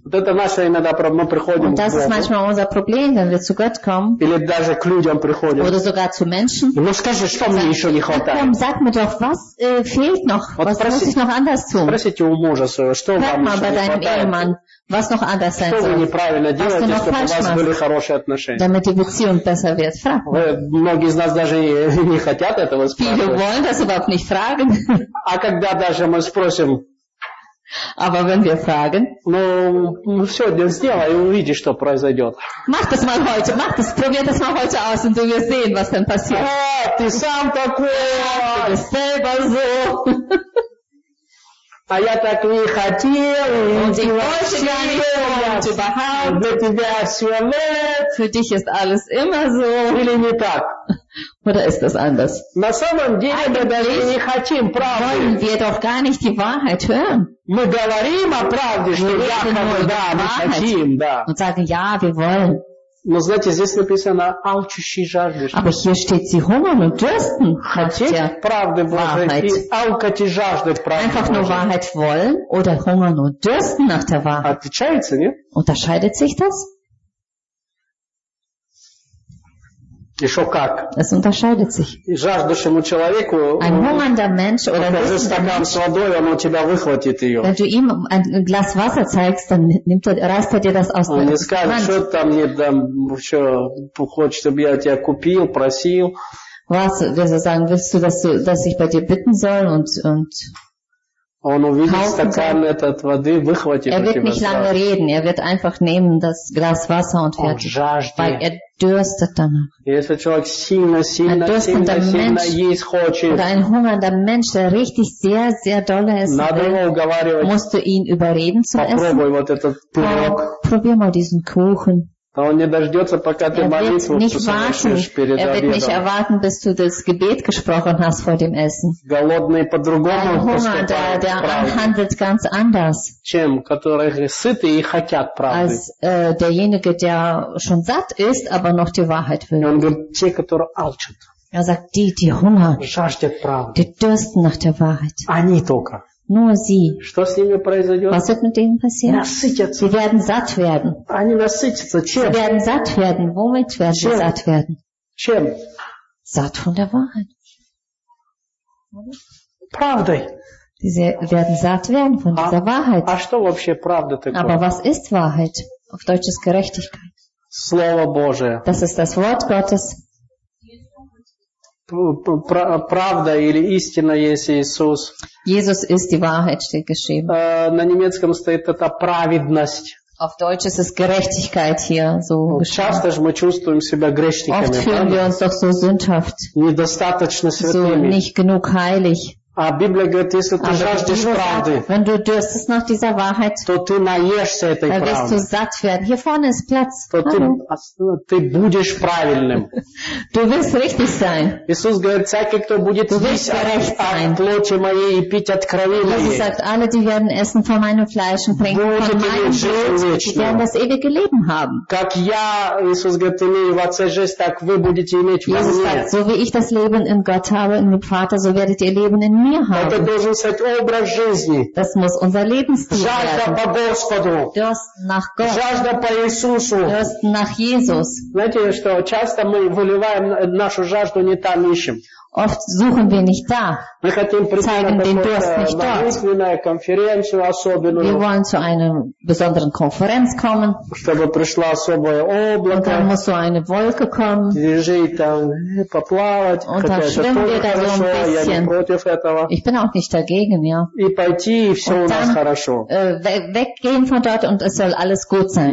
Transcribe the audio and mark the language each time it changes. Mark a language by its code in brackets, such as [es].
[de] Und das ist manchmal unser Problem, wenn wir zu Gott kommen. Oder sogar zu Menschen. Sag mir doch, was fehlt noch? Was muss ich noch anders tun? Sag mal bei deinem Ehemann. Was noch anders sein soll? Was [ru] неправильно делаете, чтобы у вас были хорошие отношения? [de] Damit die Beziehung besser wird, frag. [ru] Многие из нас даже не хотят этого спрашивать. [de] Viele wollen das überhaupt nicht fragen. [ru] А когда даже мы спросим? [de] Aber wenn wir fragen? [ru] Ну, все, сделай и увидишь, что произойдет. [de] Mach das mal heute, mach das, probier das mal heute aus und du wirst sehen, was dann passiert. [ru] А, ты сам такой, ты [de] selber so. [ru] А я так не хотел, и ты вообще не хотел, для тебя все нет. [de] Für dich ist alles immer so. [ru] Или не так? [de] Oder ist das anders? [ru] На самом деле мы даже не хотим правды. [de] Wollen wir doch gar nicht die Wahrheit hören. [ru] Мы говорим о правде, что якобы да, мы хотим, да. [de] Und sagen, ja, wir wollen. [ru] Но знаете, здесь написано алчущий жаждущий. [de] Aber hier steht sie hungern und dürsten. [ru] Хотеть правды Божией и алкать и жаждать правды. [de] Einfach nur Wahrheit wollen oder hungern und dürsten nach der Wahrheit. [ru] Отличается, нет? [de] Unterscheidet sich das? [ru] Еще как? [de] Es unterscheidet sich. [ru] Жаждущему человеку. [de] Ein hungernder Mensch oder dürstender Mensch. Wenn du ihm ein Glas Wasser zeigst, dann Wenn du ihm ein Glas Wasser zeigst, dann nimmt er, reißt er dir das aus der Hand. [ru] Он не скажет, что там мне там еще хочешь, чтобы я тебя купил, просил. [de] Was willst du sagen? Willst du, dass ich bei dir bitten soll und [ru] Он увидит стакан этот воды, выхватит. [de] Er wird nicht lange reden. Er wird einfach nehmen das Glas Wasser und fertig. Weil er dürstet danach. [ru] Если человек сильно есть хочет. [de] Oder ein hungernder Mensch, der richtig sehr, sehr doll essen will, musst du ihn überreden zu essen. [ru] Попробуй вот этот пирог. [de] Probier mal diesen Kuchen. [ru] Да он не дождется, пока ты молитву услышишь перед обедом. [de] Er wird nicht erwarten, bis du das Gebet gesprochen hast vor dem Essen. [ru] Голодный по-другому поступает. [de] Der handelt ganz anders. [ru] Чем, который сытый и хотят правды. [de] Als derjenige, der schon satt ist, aber noch die Wahrheit will. [ru] Он говорит, те, которые алчат. [de] Er sagt, die hungern. [ru] Жаждет правды. [de] Die dürsten nach der Wahrheit. [ru] Они только. [de] Nur sie. [ru] Что с ними произойдет? [de] Was wird mit denen passieren? [ru] Насытятся. [de] Sie werden satt werden. [ru] Они насытятся. Чем? [de] Sie werden satt werden. Womit werden sie satt werden? [ru] Чем? [de] Satt von der Wahrheit. [ru] Правдой. [de] Sie werden satt werden von dieser Wahrheit. [ru] А что вообще правда такое? [de] Aber was ist Wahrheit? Auf Deutsch ist Gerechtigkeit. [ru] Слово Божие. [de] Das ist das Wort Gottes. [ru] Правда или истина есть Иисус. [de] Jesus ist die Wahrheit, steht geschrieben. [ru] На немецком стоит это праведность. [de] Auf Deutsch ist es Gerechtigkeit hier so. [ru] Часто же мы чувствуем себя грешниками. [de] Oft fühlen wir uns doch so sündhaft. [ru] Недостаточно святыми. [de] So nicht genug heilig. [ru] А Библия говорит, если ты жаждешь правды, [de] wenn du dürstest nach dieser Wahrheit, [ru] то ты наешься этой правдой. [de] Dann wirst du satt werden. Hier vorne ist Platz. [ru] Ты будешь правильным. [de] Du wirst richtig sein. [ru] Иисус говорит, всякий, кто будет есть от плоти моей и пить от крови моей, [de] Jesus sagt, alle, die werden essen von meinem Fleisch und trinken von meinem Blut, die werden das ewige Leben haben. [ru] Как я, Иисус говорит, имею в Отце жизнь, так вы будете иметь во мне. [de] Jesus sagt, so wie ich das Leben in Gott habe, in dem Vater, so werdet ihr Leben in [ru] Это должен стать образ жизни. [de] Das muss unser Lebensstil [ru] Жажда По Господу. [de] Durst nach Gott. [ru] Жажда по Иисусу. [de] Durst nach Jesus. [ru] Знаете, что часто мы выливаем нашу жажду не там ищем. [de] Oft suchen wir nicht da. [ru] Мы хотим прийти на конференцию особенную. [de] Wir wollen zu einer besonderen Konferenz kommen. [ru] Чтобы пришло особое облако. [de] Und dann muss so eine Wolke kommen. [ru] Лежи там, поплавать. [de] Und dann schwimmen wir da so ein bisschen. Ich bin auch nicht dagegen, ja. [ru] И пойти, и все [de] und dann, [ru] у нас хорошо. [de] Weggehen von dort und es soll alles gut sein.